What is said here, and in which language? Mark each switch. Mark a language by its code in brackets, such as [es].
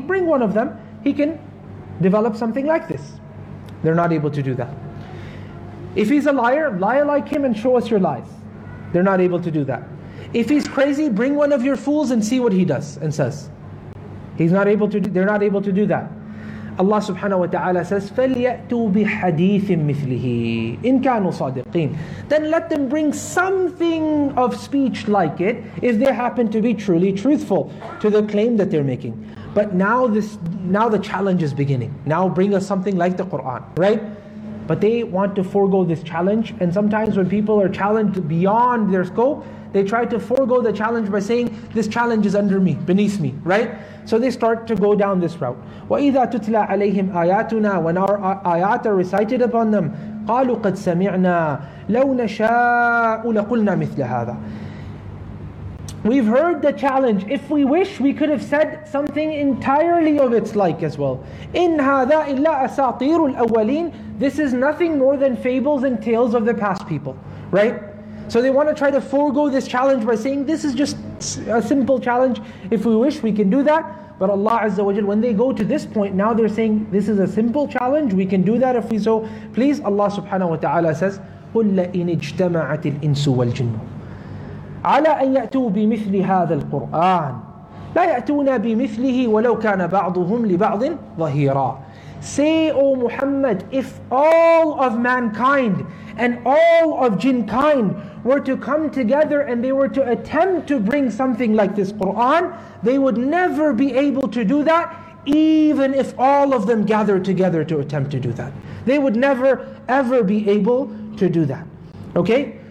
[en] Bring one of them, he can develop something like this. They're not able to do that. If he's a liar, lie like him and show us your lies. They're not able to do that. If he's crazy, bring one of your fools and see what he does and says. They're not able to do that. [ar] Allah subhanahu wa ta'ala says, فَلْيَأْتُوا بِحَدِيثٍ مِثْلِهِ إِنْ كَانُوا صَادِقِينَ. [en] Then let them bring something of speech like it, if they happen to be truly truthful to the claim that they're making. But now the challenge is beginning. Now bring us something like the Qur'an, right? But they want to forego this challenge. And sometimes when people are challenged beyond their scope, they try to forego the challenge by saying, this challenge is under me, beneath me, right? So they start to go down this route. [ar] وَإِذَا تُتْلَى عَلَيْهِمْ آيَاتُنَا. [en] When our ayat are recited upon them, [ar] قَالُوا قَدْ سَمِعْنَا لَوْ نَشَاءُ لَقُلْنَا مِثْلَ هَذَا. [en] We've heard the challenge. If we wish, we could have said something entirely of its like as well. [ar] إِنْ هَذَا إِلَّا أَسَاطِيرُ الْأَوَّلِينَ. [en] This is nothing more than fables and tales of the past people, right? So they want to try to forego this challenge by saying, this is just a simple challenge. If we wish, we can do that. But Allah Azza wa Jal, when they go to this point, now they're saying, this is a simple challenge. We can do that if we so please. [ar] Allah subhanahu wa ta'ala says, قُلَّ إِنِ اجْتَمَعَتِ الْإِنسُ وَالْجِنُّ عَلَىٰ أَنْ يَأْتُوا بِمِثْلِ هَذَا الْقُرْآنِ لَا يَأْتُونَ بِمِثْلِهِ وَلَوْ كَانَ بَعْضُهُمْ لِبَعْضٍ ظَهِيرًا. [en] Say, O Muhammad, if all of mankind and all of jinnkind were to come together and they were to attempt to bring something like this Qur'an, they would never be able to do that, even if all of them gathered together to attempt to do that. They would never, ever be able to do that. Okay?